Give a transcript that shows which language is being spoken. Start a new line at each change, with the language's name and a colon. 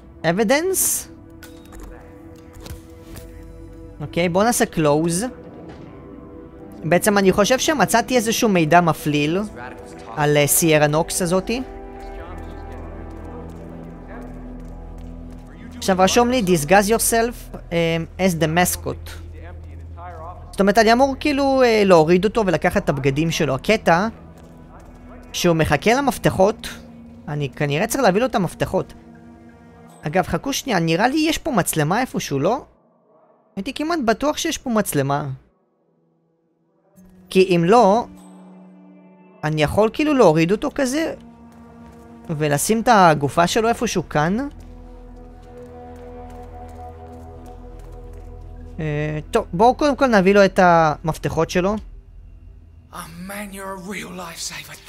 English: אבידנס?
Hebrew: אוקיי, בואו נעשה קלוז. בעצם אני חושב שמצאתי איזשהו מידע מפליל על סיירה נוקס הזאתי. עכשיו רשום לי
English: disguise yourself as the mascot.
Hebrew: זאת אומרת אני אמור כאילו להוריד אותו ולקחת את הבגדים שלו. הקטע שהוא מחכה למפתחות, אני כנראה צריך להביא לו את המפתחות. אגב חכו שנייה, נראה לי יש פה מצלמה איפשהו, לא? הייתי כמעט בטוח שיש פה מצלמה. כי אם לא, אני יכול כאילו להוריד אותו כזה ולשים את הגופה שלו איפשהו כאן. טוב, בואו קודם כל נביא לו את המפתחות שלו.
English: Oh man, you're a real lifesaver.